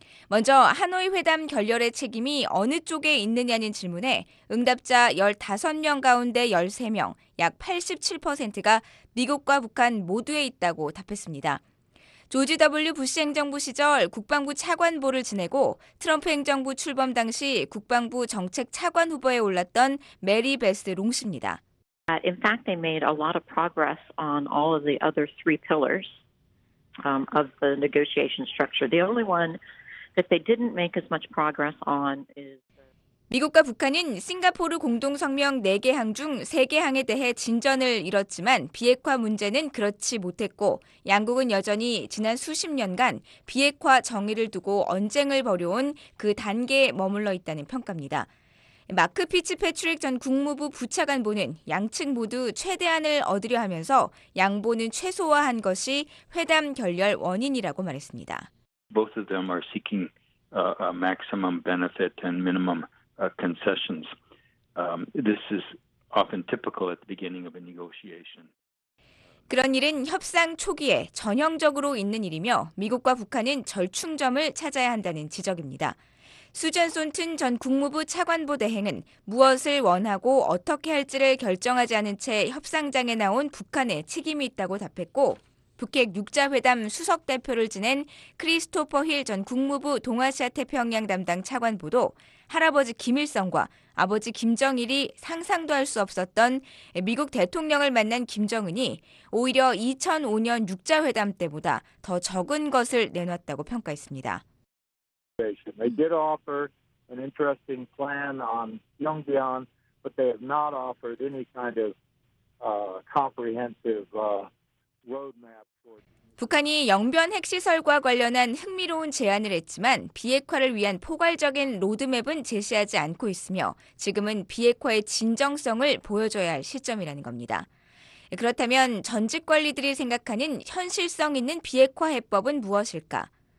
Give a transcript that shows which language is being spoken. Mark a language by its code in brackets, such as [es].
[ko] 먼저 하노이 회담 결렬의 책임이 어느 쪽에 있느냐는 질문에 응답자 15명 가운데 13명, 약 87%가 미국과 북한 모두에 있다고 답했습니다. 조지 W. 부시 행정부 시절 국방부 차관보를 지내고 트럼프 행정부 출범 당시 국방부 정책 차관 후보에 올랐던 메리 베스 롱 씨입니다. [en] In fact, they made a lot of progress on all of the other three pillars of the negotiation structure. The only one that they didn't make as much progress on is [ko] 미국과 북한은 싱가포르 공동성명 4개 항 중 3개 항에 대해 진전을 이뤘지만 비핵화 문제는 그렇지 못했고 양국은 여전히 지난 수십 년간 비핵화 정의를 두고 언쟁을 벌여온 그 단계에 머물러 있다는 평가입니다. 마크 피츠패트릭 전 국무부 부차관보는 양측 모두 최대한을 얻으려 하면서 양보는 최소화한 것이 회담 결렬 원인이라고 말했습니다. [en] Both of them are seeking a maximum benefit and minimum concessions. This is often typical at the beginning of a negotiation. [ko] 그런 일은 협상 초기에 전형적으로 있는 일이며 미국과 북한은 절충점을 찾아야 한다는 지적입니다. 수잔 솔튼 전 국무부 차관보 대행은 무엇을 원하고 어떻게 할지를 결정하지 않은 채 협상장에 나온 북한의 책임이 있다고 답했고 북핵 6자회담 수석대표를 지낸 크리스토퍼 힐 전 국무부 동아시아태평양 담당 차관보도 할아버지 김일성과 아버지 김정일이 상상도 할 수 없었던 미국 대통령을 만난 김정은이 오히려 2005년 6자회담 때보다 더 적은 것을 내놨다고 평가했습니다. [en] They did offer an interesting plan on Pyongyang, but they have not offered any kind of comprehensive roadmap for. [ko] 북한이 영변 핵시설과 관련한 흥미로운 제안을 했지만 비핵화를 위한 포괄적인 로드맵은 제시하지 않고 있으며 지금은 비핵화의 진정성을 보여줘야 할 시점이라는 겁니다. 그렇다면 전직 관리들이 생각하는 현실성 있는 비핵화 해법은 무엇일까?